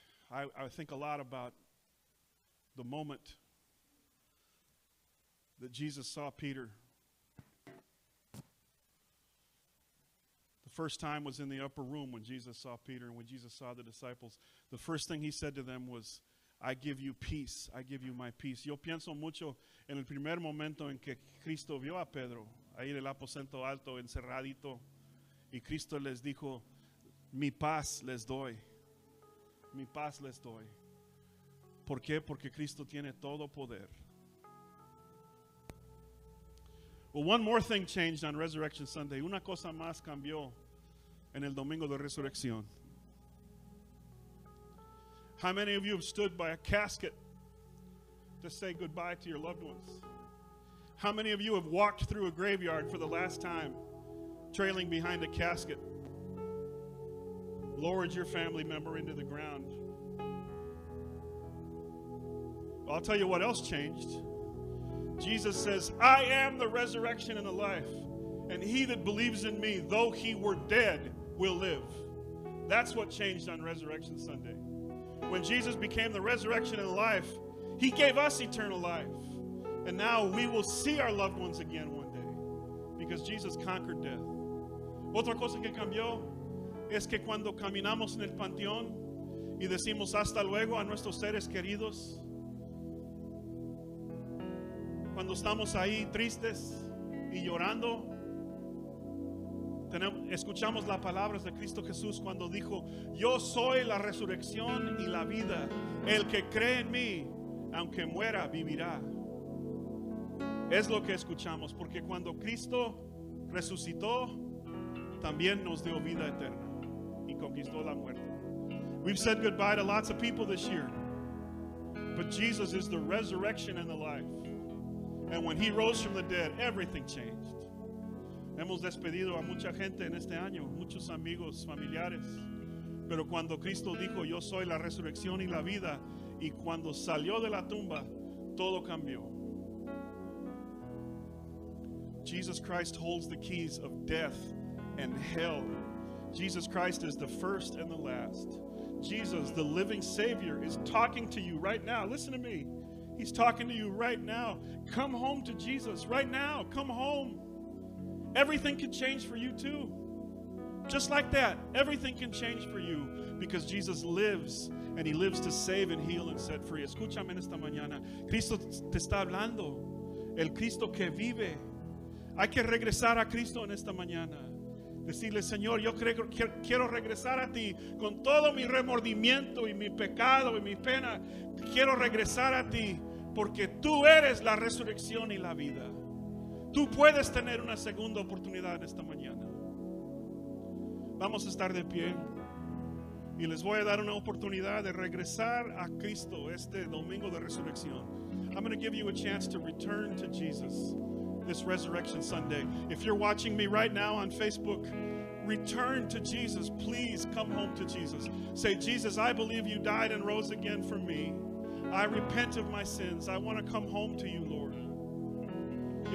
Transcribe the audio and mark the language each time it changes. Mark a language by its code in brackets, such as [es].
[en] I think a lot about the moment that Jesus saw Peter. The first time was in the upper room when Jesus saw Peter and when Jesus saw the disciples. The first thing he said to them was, I give you peace. I give you my peace. [es] Yo pienso mucho en el primer momento en que Cristo vio a Pedro, ahí en el aposento alto, encerradito. Y Cristo les dijo, mi paz les doy. Mi paz les doy. ¿Por qué? Porque Cristo tiene todo poder. [en] Well, one more thing changed on Resurrection Sunday. [es] Una cosa más cambió en el domingo de resurrección. [en] How many of you have stood by a casket to say goodbye to your loved ones? How many of you have walked through a graveyard for the last time, trailing behind a casket? Lowered your family member into the ground. I'll tell you what else changed. Jesus says, I am the resurrection and the life, and he that believes in me, though he were dead, will live. That's what changed on Resurrection Sunday. When Jesus became the resurrection and the life, he gave us eternal life. And now we will see our loved ones again one day because Jesus conquered death. [es] Otra cosa que cambió es que cuando caminamos en el panteón y decimos hasta luego a nuestros seres queridos, cuando estamos ahí tristes y llorando, escuchamos las palabras de Cristo Jesús cuando dijo, yo soy la resurrección y la vida. El que cree en mí, aunque muera, vivirá. Es lo que escuchamos, porque cuando Cristo resucitó, también nos dio vida eterna y conquistó la muerte. [en] We've said goodbye to lots of people this year, but Jesus is the resurrection and the life. And when he rose from the dead, everything changed. [es] Hemos despedido a mucha gente en este año, muchos amigos, familiares. Pero cuando Cristo dijo, yo soy la resurrección y la vida, y cuando salió de la tumba, todo cambió. [en] Jesus Christ holds the keys of death and hell. Jesus Christ is the first and the last. Jesus, the living Savior, is talking to you right now. Listen to me. He's talking to you right now. Come home to Jesus right now. Come home. Everything can change for you too. Just like that, everything can change for you because Jesus lives and he lives to save and heal and set free. [es] Escúchame esta mañana. Cristo te está hablando. El Cristo que vive. Hay que regresar a Cristo en esta mañana. Decirle, Señor, yo quiero regresar a ti con todo mi remordimiento y mi pecado y mi pena. Quiero regresar a ti porque tú eres la resurrección y la vida. Tú puedes tener una segunda oportunidad en esta mañana. Vamos a estar de pie y les voy a dar una oportunidad de regresar a Cristo este domingo de resurrección. [en] I'm going to give you a chance to return to Jesus this Resurrection Sunday. If you're watching me right now on Facebook, return to Jesus. Please come home to Jesus. Say, Jesus, I believe you died and rose again for me. I repent of my sins. I want to come home to you, Lord.